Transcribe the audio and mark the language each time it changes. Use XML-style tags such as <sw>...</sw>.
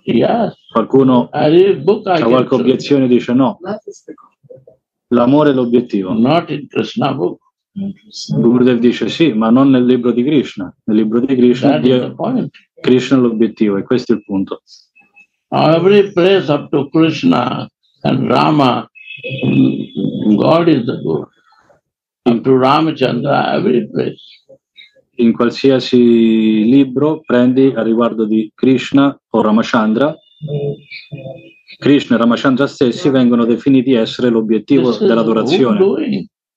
<en>Yes.</en> <it>Qualcuno ha qualche obiezione, dice no. L'amore è l'obiettivo.</it> <en>Not in Krishna book.</en> <it>Gurudev dice sì, ma non nel libro di Krishna. Nel libro di Krishna, Dio, Krishna è l'obiettivo, e questo è il punto.</it> <en>Every place up to Krishna and Rama, God is the goal. Up to Ramachandra, every place.</en> <it>In qualsiasi libro prendi a riguardo di Krishna o Ramachandra, Krishna e Ramachandra stessi vengono definiti essere l'obiettivo dell'adorazione.</it>